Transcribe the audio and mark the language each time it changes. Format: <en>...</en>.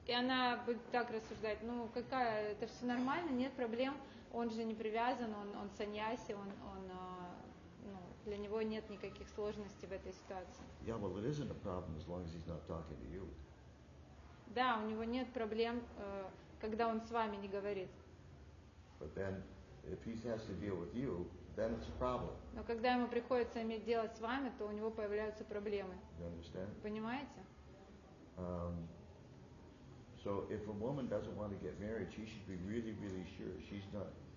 <ru>И она будет так рассуждать, ну какая, это все нормально, нет проблем, он же не привязан, он саньяси, он ну, для него нет никаких сложностей в этой ситуации.</ru> <en>Yeah, well, it isn't a problem as long as he's not talking to you.</en> <ru>Да, у него нет проблем, когда он с вами не говорит.</ru> <en>But then, if he has to deal with you, then it's a problem.</en> <ru>Но когда ему приходится иметь дело с вами, то у него появляются проблемы.</ru> <en>You understand?</en> <ru>Понимаете?</ru> <en>So if a woman doesn't want to get married, she should be really, really sure she's not</en>